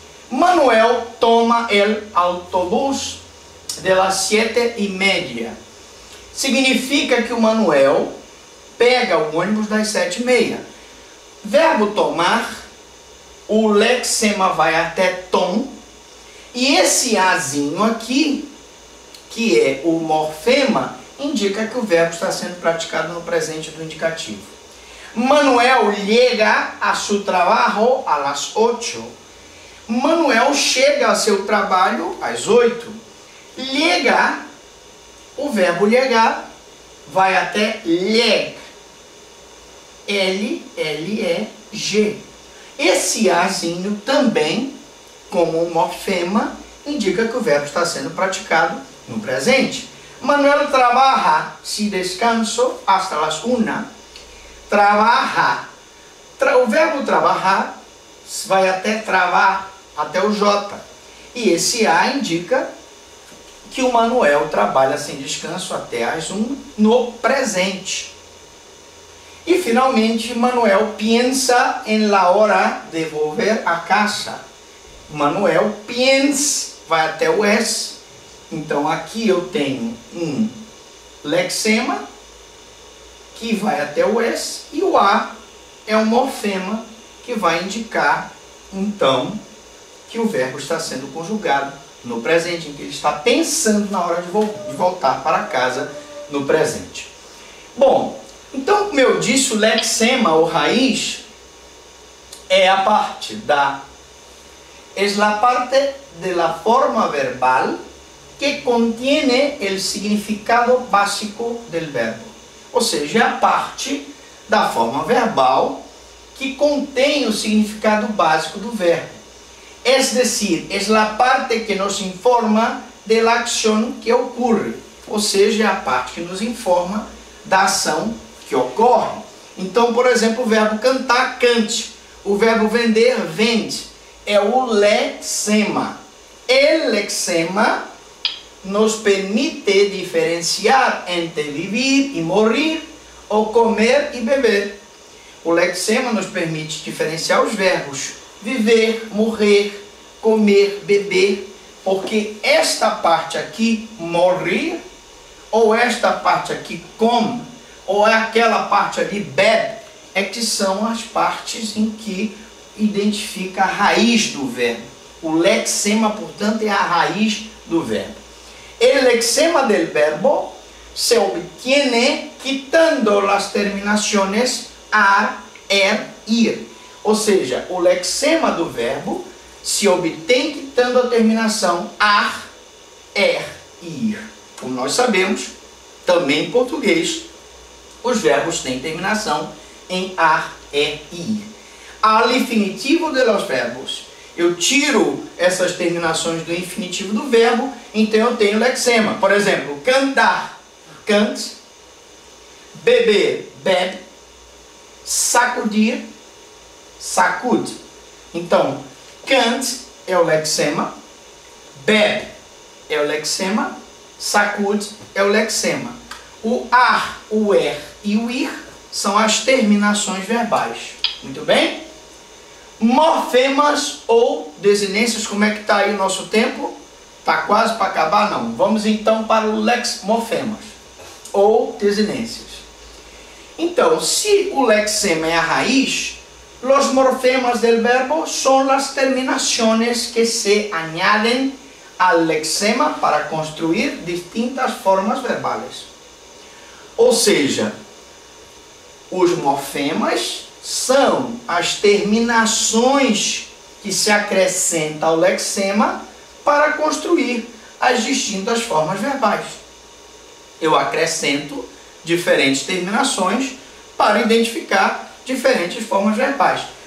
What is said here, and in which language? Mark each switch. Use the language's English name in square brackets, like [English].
[Spanish] Manuel toma el autobús de las 7:30. [Portuguese] Significa que o Manuel pega o ônibus das 7:30. Verbo tomar, o lexema vai até tom. E esse Azinho aqui, que é o morfema, indica que o verbo está sendo praticado no presente do indicativo. [Spanish] Manuel llega a su trabajo a las 8. [Portuguese] Manuel chega ao seu trabalho às 8. Llega, o verbo llegar vai até lleg. L-L-E-G. Esse azinho também, como um morfema, indica que o verbo está sendo praticado no presente. [Spanish] Manuel trabaja si descanso hasta las 1. Trabaja. [Portuguese] O verbo trabajar vai até travar, até o J. E esse A indica que o Manuel trabalha sem descanso até as 1 no presente. E finalmente, [Spanish] Manuel piensa en la hora de volver a casa. [Portuguese] Manuel piensa, vai até o S. Então aqui eu tenho um lexema que vai até o S, e o A é um morfema que vai indicar, então, que o verbo está sendo conjugado no presente, em que ele está pensando na hora de voltar para casa no presente. Bom, então, como eu disse, o lexema, ou raiz, é a parte da... [Spanish] es la parte de la forma verbal que contiene el significado básico del verbo. [Portuguese] Ou seja, é a parte da forma verbal que contém o significado básico do verbo. [Spanish] Es decir, es la parte que nos informa de la acción que ocurre. [Portuguese] Ou seja, é a parte que nos informa da ação que ocorre. Então, por exemplo, o verbo cantar, cante. O verbo vender, vende. É o lexema. [Spanish] El lexema nos permite diferenciar entre vivir [Portuguese] e morrer, ou [Spanish] comer e beber. [Portuguese] O lexema nos permite diferenciar os verbos viver, morrer, comer, beber, porque esta parte aqui, morrer, ou esta parte aqui, come, ou aquela parte ali, bebe, é que são as partes em que identifica a raiz do verbo. O lexema, portanto, é a raiz do verbo. [Spanish] El lexema del verbo se obtiene quitando las terminaciones ar, er, ir. [Portuguese] Ou seja, o lexema do verbo se obtém quitando a terminação ar, er, ir. Como nós sabemos, também em português, os verbos têm terminação em ar, er, ir. [Spanish] Al infinitivo de los verbos. [Portuguese] Eu tiro essas terminações do infinitivo do verbo, então eu tenho lexema. Por exemplo, cantar, cante, beber, bebe, sacudir, sacude. Então, cante é o lexema, bebe é o lexema, sacude é o lexema. O ar, o er e o ir são as terminações verbais. Muito bem? Morfemas ou desinências, como é que está aí o nosso tempo? Está quase para acabar? Não. Vamos então para o lexmorfemas ou desinências. Então, se o lexema é a raiz, [Spanish] Los morfemas del verbo son las terminaciones que se añaden al lexema para construir distintas formas verbales. [Portuguese] Ou seja, os morfemas são as terminações que se acrescentam ao lexema para construir as distintas formas verbais. Eu acrescento diferentes terminações para identificar diferentes formas verbais.